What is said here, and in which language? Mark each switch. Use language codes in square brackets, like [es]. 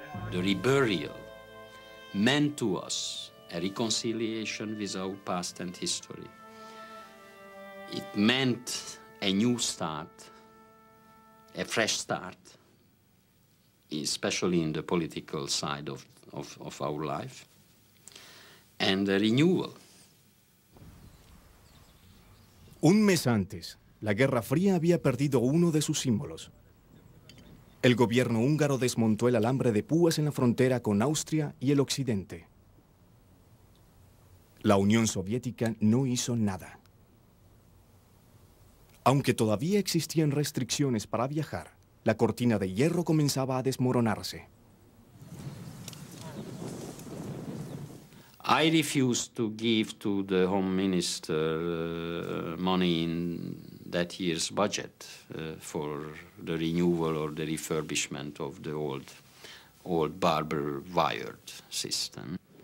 [en] The reburial meant to us a reconciliation with our past and history. It meant a new start, a fresh start, especially in the political side of our life, and a renewal. [es] Un mes antes, la Guerra Fría había perdido uno de sus símbolos. El gobierno húngaro desmontó el alambre de púas en la frontera con Austria y el occidente. La Unión Soviética no hizo nada. Aunque todavía existían restricciones para viajar, la cortina de hierro comenzaba a desmoronarse. [en] I refused to give to the Home Minister money in that year's budget for the renewal or the refurbishment of the old barbed wired system.